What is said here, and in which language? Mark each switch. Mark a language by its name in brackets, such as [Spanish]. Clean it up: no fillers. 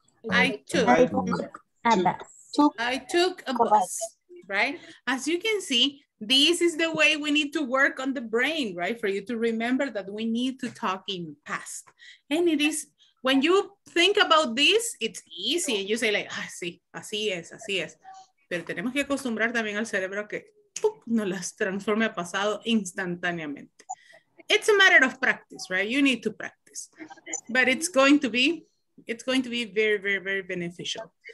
[English] I took a bus, right? As you can see, this is the way we need to work on the brain, right? For you to remember that we need to talk in past. And it is, when you think about this, it's easy. [Spanish] And you say like, ah, sí, así es, así es. Pero tenemos que acostumbrar también al cerebro que no las transforme a pasado instantáneamente. [English] It's a matter of practice, right? You need to practice. But it's going to be very, very, very beneficial.